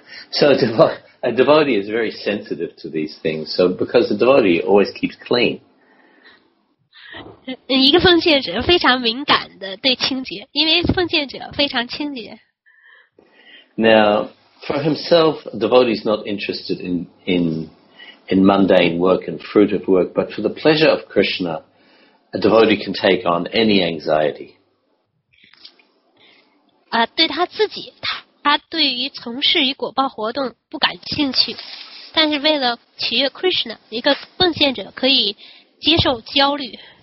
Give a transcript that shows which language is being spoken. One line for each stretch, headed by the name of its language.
English: So a devotee is very sensitive to these things. So because the devotee always keeps clean.
Chinese: 一个奉献者非常敏感的对清洁，因为奉献者非常清洁。
English: Now, for himself, a devotee is not interested in mundane work and fruitive work, but for the pleasure of Krishna, a devotee can take on any anxiety.
Chinese: 对他自己，他对于从事于果报活动不感兴趣，但是为了取悦 Krishna, 一个奉献者可以接受焦虑。